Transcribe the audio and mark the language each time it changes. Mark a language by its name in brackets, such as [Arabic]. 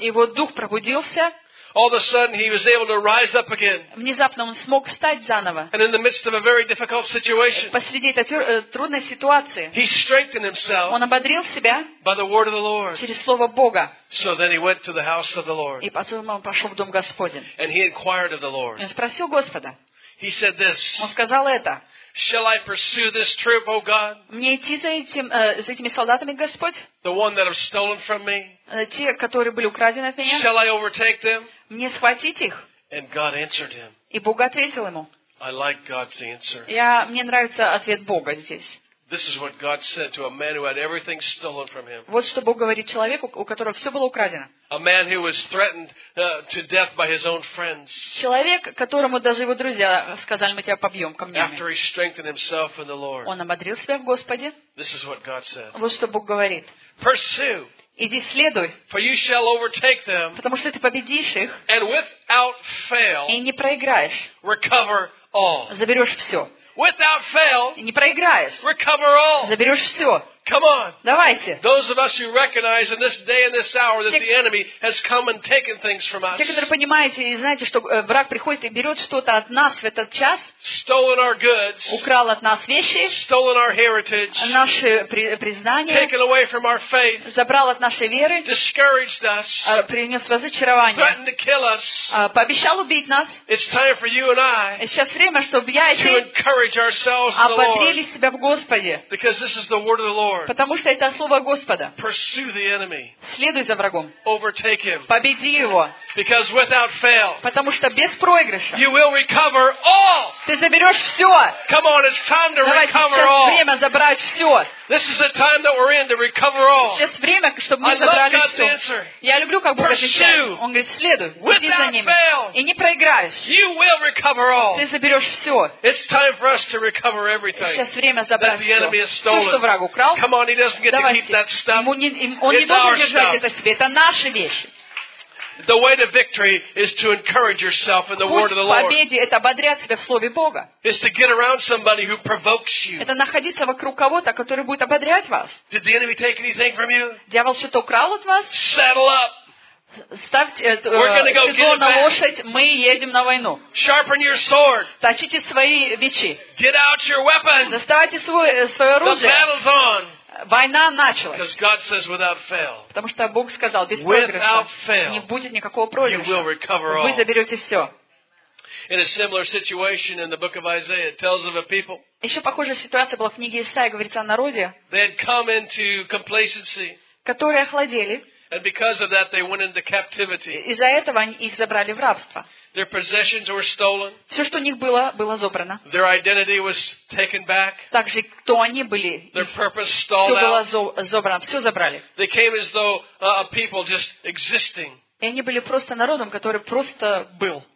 [Russian] Его дух пробудился. [English] All of a sudden he was able to rise up again. [Russian] Внезапно он смог встать заново. [English] And in the midst of a very difficult situation. [Russian] Посреди этой трудной ситуации. [English] He strengthened himself. [Russian] Он ободрил себя. [English] By the word of the Lord. [Russian] Через слово Бога. [English] So then he went to the house of the Lord. [Russian] И потом он пошел в дом Господень. [English] And he inquired of the Lord. [Russian] И он спросил Господа. [English] He said this. [Russian] Он сказал это. [English] Shall I pursue this troop, O God? [Russian] Мне идти за этими солдатами, Господь? [English] The one that have stolen from me? [Russian] Те, которые были украдены от меня? [English] Shall I overtake them? [Russian] Мне схватить их? [English] And God answered him. [Russian] И Бог ответил ему. [English] I like God's answer. [Russian] Мне нравится ответ Бога здесь. [English] This is what God said to a man who had everything stolen from him. [Russian] Вот что Бог говорит человеку, у которого все было украдено. [English] A man who was threatened to death by his own friends. [Russian] Человек, которому даже его друзья сказали, мы тебя побьем камнями. [English] After he strengthened himself in the Lord. [Russian] Он ободрил себя в Господе. [English] This is what God said. [Russian] Вот что Бог говорит. [English] Pursue. [Russian] Иди следуй. [English] For you shall overtake them. [Russian] Потому что ты победишь их. [English] And without fail. [Russian] И не проиграешь. [English] Recover all. [Russian] Заберешь все. [English] Without fail, [Russian] не проиграешь. [English] Recover all. [Russian] Заберешь все. [English] Come on. [Russian] Давайте. [English] Those of us who recognize in this day and this hour that the enemy has come and taken things from us. [Russian] Те, которые понимаете и знаете, что враг приходит и берет что-то от нас в этот час. [English] Stolen our goods. [Russian] Украл от нас вещи. [English] Stolen our heritage. [Russian] Наше признание. [English] Taken away from our faith. [Russian] Забрал от нашей веры. [English] Discouraged us. [Russian] Принес разочарование. [English] Threatened to kill us. [Russian] Пообещал убить нас. [English] It's time for you and I. [Russian] Сейчас время, чтобы я и ты. [English] To encourage ourselves in the Lord. [Russian] Ободрили себя в Господе. [English] Because this is the word of the Lord. [Russian] Потому что это слово Господа. [English] Pursue the enemy. [Russian] Следуй за врагом. [English] Overtake him. [Russian] Победи его. [English] Because without fail. [Russian] Потому что без проигрыша. [English] You will recover all. [Russian] Ты заберешь все. [English] Come on, it's time to [Russian] Давайте, [English] recover all. [Russian] Сейчас время забрать все. [English] This is the time that we're in to recover all. [Russian] Сейчас время, чтобы мы забрали все. Я люблю, как Бог отвечает. Он говорит, следуй. Иди за ним. [English] Fail. [Russian] И не проиграешь. [English] You will recover all. [Russian] Ты заберешь все. [English] It's time for us to recover everything. [Russian] Сейчас время забрать [English] the enemy has stolen. [Russian] Все, что враг украл. [English] Come on, he doesn't get [Russian] Давайте. [English] To keep that stuff. [Russian] Ему не, он [English] It's [Russian] не должен [English] our [Russian] держать [English] stuff. [Russian] Это себе. Это наши вещи. [English] The way to victory is to encourage yourself in the word of the Lord. [Russian] Путь к победе — это ободрять себя в слове Бога. [English] Is to get around somebody who provokes you. [Russian] Это находиться вокруг кого-то, который будет ободрять вас. [English] Did the enemy take anything from you? [Russian] Дьявол что-то украл от вас? [English] Settle up. [Russian] Ставьте седло на лошадь, мы едем на войну. [English] Sharpen your sword. [Russian] Точите свои мечи. [English] Get out your weapon. [Russian] Доставайте свое оружие. [English] The battle's on. [Russian] Война началась. [English] Because God says without fail. [Russian] Потому что Бог сказал, без проигрыша не будет никакого проигрыша. [English] You will recover all. [Russian] Вы заберете все. [English] In a similar situation in the book of Isaiah, it tells of a people. [Russian] Еще похожая ситуация была в книге Исаии, говорится о народе. [English] They had come into complacency. [Russian] Которые охладели. [English] And because of that, they went into captivity. [Russian] Из-за этого они их забрали в рабство. [English] Their possessions were stolen. [Russian] Все, что у них было, было забрано. [English] Their identity was taken back. [Russian] Также кто они были. [English] Their purpose stolen. [Russian] Все было забрано. Все забрали. [English] They came as though a people just existing. [Russian] И они были просто народом, который просто был.